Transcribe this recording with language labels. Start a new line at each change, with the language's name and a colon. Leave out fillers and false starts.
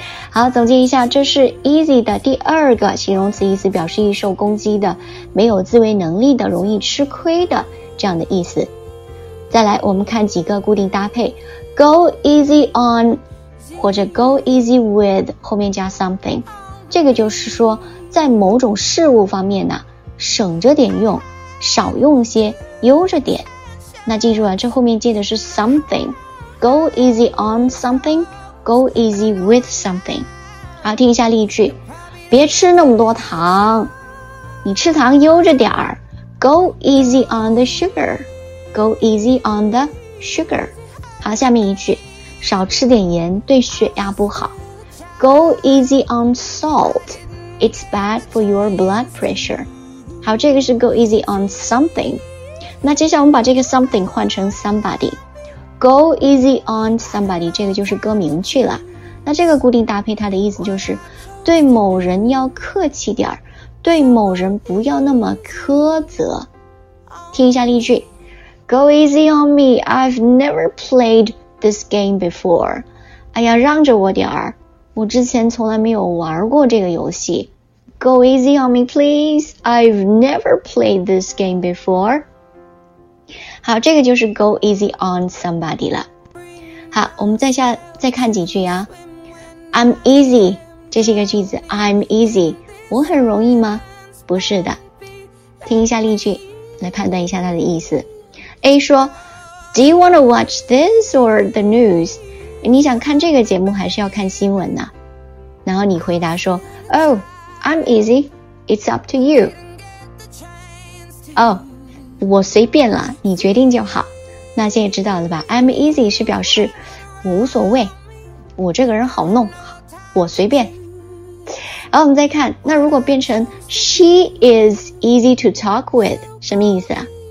Chinese: 好，总结一下，这是 easy 的第二个形容词意思，表示易受攻击的，没有自卫能力的，容易吃亏的这样的意思。再来我们看几个固定搭配，
English: go easy on
Chinese: 或者
English: go easy with
Chinese: 后面加 something， 这个就是说在某种事物方面呢，省着点用，少用些，悠着点。那记住啊，这后面接的是 something，
English: go easy on something， go easy with something。
Chinese: 好，听一下例句，别吃那么多糖，你吃糖悠着点儿。
English: Go easy on the sugar. Go easy on the sugar.
Chinese: 好，下面一句，少吃点盐对血压不好。
English: Go easy on salt. It's bad for your blood pressure.
Chinese: 好，这个是
English: go easy on something.
Chinese: 那接下来我们把这个 something 换成 somebody.
English: Go easy on somebody.
Chinese: 这个就是歌名句了。那这个固定搭配它的意思就是对某人要客气点儿，对某人不要那么苛责。听一下例句，
English: Go easy on me, I've never played this game before.
Chinese: 哎呀，让着我点儿，我之前从来没有玩过这个游戏。
English: Go easy on me please, I've never played this game before.
Chinese: 好，这个就是
English: go easy on somebody
Chinese: 了。好，我们再看几句啊。
English: I'm easy，
Chinese: 这是一个句子， I'm easy，我很容易吗？不是的。听一下例句，来判断一下它的意思。
English: A
Chinese: 说，
English: Do you want to watch this or the news?
Chinese: 你想看这个节目还是要看新闻呢？然后你回答说，
English: Oh, I'm easy, it's up to you.
Chinese: Oh, 我随便了，你决定就好。那现在知道了吧，
English: I'm easy
Chinese: 是表示无所谓，我这个人好弄，我随便。好，我们再看，那如果变成
English: She is easy to talk with，
Chinese: 什么意思啊？